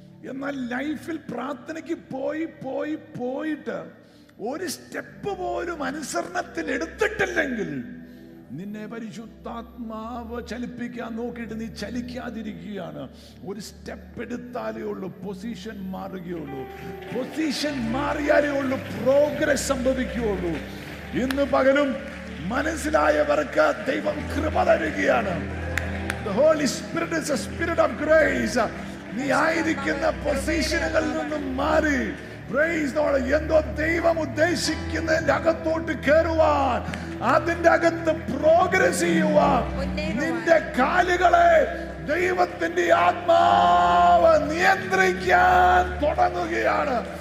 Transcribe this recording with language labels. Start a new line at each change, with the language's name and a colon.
Malayalam: എന്നാൽ ലൈഫിൽ പ്രാർത്ഥനയ്ക്ക് പോയി പോയി പോയിട്ട് ഒരു സ്റ്റെപ്പ് പോലും അനുസരണത്തിൽ എടുത്തിട്ടില്ലെങ്കിൽ നിന്നെ പരിശുദ്ധാത്മാവ് ചലിപ്പിക്കാൻ നോക്കിയിട്ട് നീ ചലിക്കാതിരിക്കുകയാണ്. ഒരു സ്റ്റെപ്പ് എടുത്താലേ ഉള്ളൂ പൊസിഷൻ മാറുകയുള്ളൂ, പൊസിഷൻ മാറിയാലേ ഉള്ളൂ പ്രോഗ്രസ് സംഭവിക്കുകയുള്ളൂ. ഇന്ന് പകലും മനസ്സിലായവർക്ക് ദൈവം കൃപ തരികയാണ്.
English: The Holy Spirit is a spirit of grace.
Malayalam: നീ ആയിരിക്കുന്ന പൊസിഷനുകളിൽ നിന്നും മാറി
English: പ്രൈസ് ദോഡ്
Malayalam: എന്തോ ദൈവം ഉദ്ദേശിക്കുന്നതിന്റെ അകത്തോട്ട് കയറുവാൻ, അതിന്റെ അകത്ത് പ്രോഗ്രസ് ചെയ്യുവാൻ, നിന്റെ കാലുകളെ ദൈവത്തിന്റെ ആത്മാവ് നിയന്ത്രിക്കാൻ തുടങ്ങുകയാണ്.